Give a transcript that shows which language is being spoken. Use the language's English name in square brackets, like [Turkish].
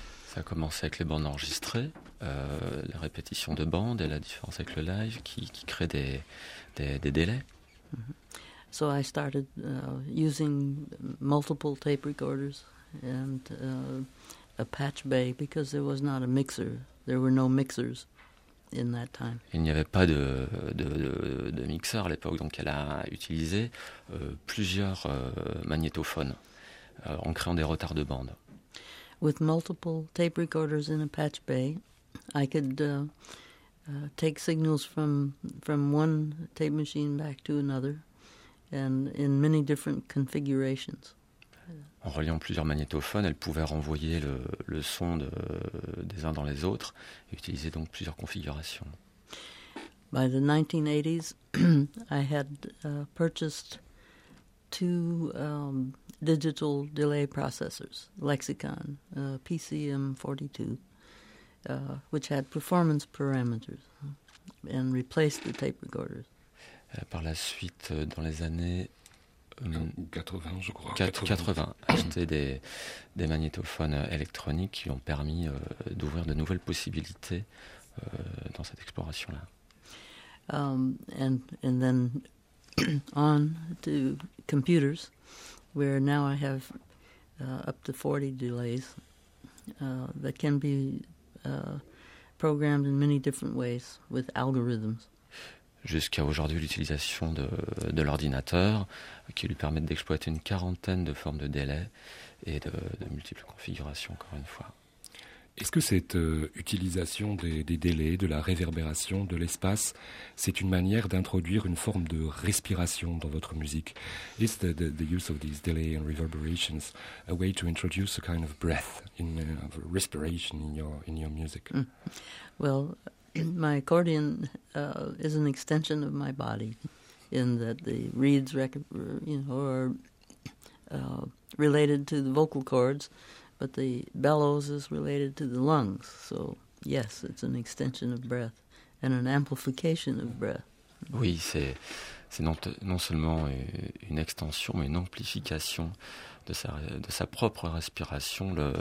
[French] Ça a commencé avec les bandes enregistrées, les répétitions de bandes et la différence avec le live qui crée des délais. Mm-hmm. [English] So I started using multiple tape recorders and a patch bay because there was not a mixer. There were no mixers in that time. [French] Il n'y avait pas de mixeur à l'époque, donc elle a utilisé plusieurs magnétophones en créant des retards de bande. [English] With multiple tape recorders in a patch bay, I could take signals from one tape machine back to another, and in many different configurations. [French] En reliant plusieurs magnétophones, elle pouvait renvoyer le son des uns dans les autres et utiliser donc plusieurs configurations. [English] By the 1980s, I had purchased two digital delay processors, Lexicon, PCM42, which had performance parameters and replaced the tape recorders. [French] Par la suite, dans les années 80, je crois. 80, acheter des magnétophones électroniques qui ont permis d'ouvrir de nouvelles possibilités dans cette exploration-là. [English] And then on to computers, where now I have up to 40 delays that can be programmed in many different ways with algorithms. [French] Jusqu'à aujourd'hui, l'utilisation de l'ordinateur qui lui permet d'exploiter une quarantaine de formes de délais et de multiples configurations, encore une fois. Est-ce que cette utilisation des délais, de la réverbération, de l'espace, c'est une manière d'introduire une forme de respiration dans votre musique? [English] Is the use of these delay and reverberations a way to introduce a kind of breath, in of respiration in your music? Well, my accordion is an extension of my body, in that the reeds, are related to the vocal cords. But the bellows is related to the lungs, so yes, it's an extension of breath and an amplification of breath. [French] Oui, c'est non seulement une extension, mais une amplification de sa propre respiration.